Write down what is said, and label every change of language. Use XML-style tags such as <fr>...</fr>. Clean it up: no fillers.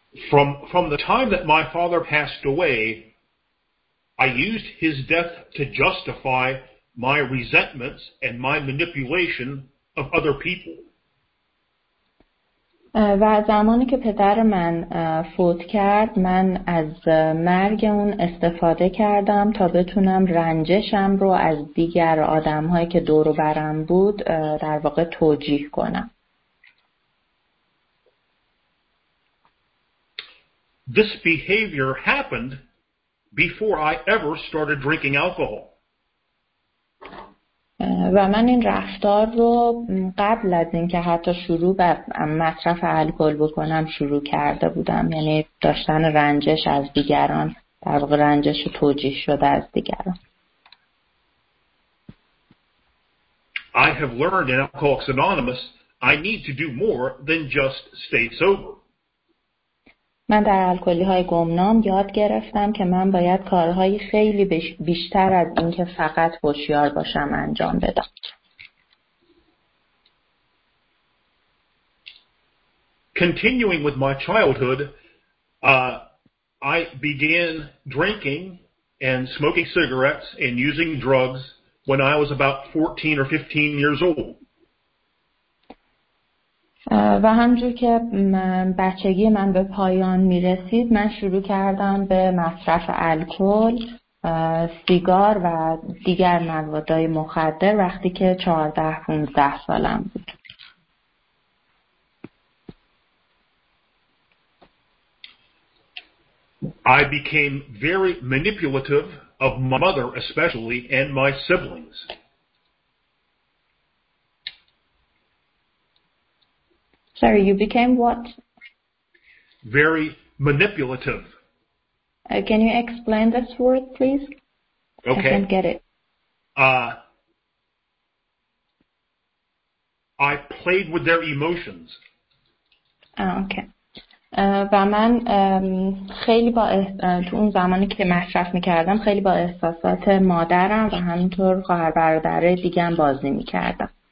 <en>From the time that my father passed away, I used his death to justify my resentments and my manipulation of other people.</en> <fa>و زمانی که پدر من فوت کرد من از مرگ اون استفاده کردم تا بتونم رنجشم رو از دیگر آدم‌هایی که دور و برم بود در واقع توجیه کنم.</fa> <en>This behavior happened before I ever started drinking alcohol.</en> <fa>و من این رفتار رو قبل از اینکه حتی شروع به مصرف الکل بکنم شروع کرده بودم، یعنی داشتن رنجش از دیگران، در واقع رنجش توجیه شده از دیگران.</fa> <en>I have learned in Alcoholics Anonymous I need to do more than just stay sober.</en> <fa>من در الکلی‌های گمنام یاد گرفتم که من باید کارهای خیلی بیشتر از اینکه فقط هوشیار باشم انجام بدم.</fa> <en>Continuing with my childhood, I began drinking and smoking cigarettes and using drugs when I was about 14 or 15 years old.</en> <fa>و همجور که بچگی من به پایان می رسید من شروع کردم به مصرف الکل، سیگار و دیگر موادهای مخدر وقتی که 14-15 سالم بود.</fa> <en>I became very manipulative of my mother especially and my siblings. Sorry, you became what? Very manipulative. Can you explain this word, please? Okay. I can't get it. I played with their emotions. Okay.</en> <fa>و من خیلی با تو اون زمانی که مصرف میکردم خیلی با احساسات مادرم و همینطور خواهر برادر دیگه‌ام بازی میکردم.</fa>